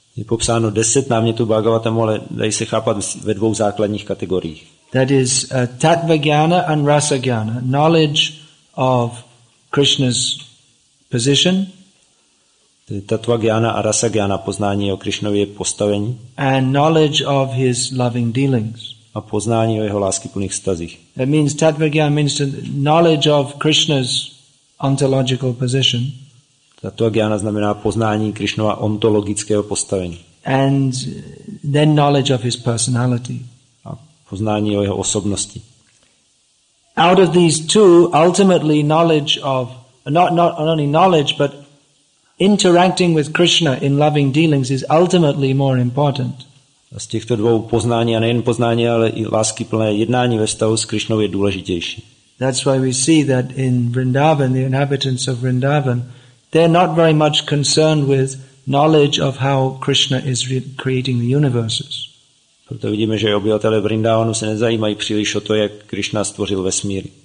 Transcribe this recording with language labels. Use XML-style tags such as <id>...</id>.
<cs>Je popsáno 10 námětů Bhagavatam, ale dají se chápat ve dvou základních kategoriích.</cs> <en>That is tattva jnana and rasa jnana, knowledge of Krishna's position.</en> <cs>Tattva jnana a rasa jnana, poznání o Krishnově postavení.</cs> <en>And knowledge of his loving dealings.</en> <cs>A poznání o jeho láskyplných vztazích.</cs> <en>That means tattva jnana means knowledge of Krishna's ontological position.</en> <cs>Tattva jnana znamená poznání Krishnova ontologického postavení.</cs> <en>And then knowledge of his personality.</en> <cs>Poznání o jeho osobnosti.</cs> <en>Out of these two, ultimately knowledge of not only knowledge but interacting with Krishna in loving dealings is ultimately more important.</en> <cs>A z těchto dvou poznání, a nejen poznání, ale i láskyplné jednání ve vztahu s Krishnou je důležitější.</cs> <en>That's why we see that in Vrindavan, the inhabitants of Vrindavan, they're not very much concerned with knowledge of how Krishna is creating the universes.</en> <cs>Proto vidíme, že obyvatelé Vrindavanu se nezajímají příliš o to, jak Krishna stvořil vesmír.</cs>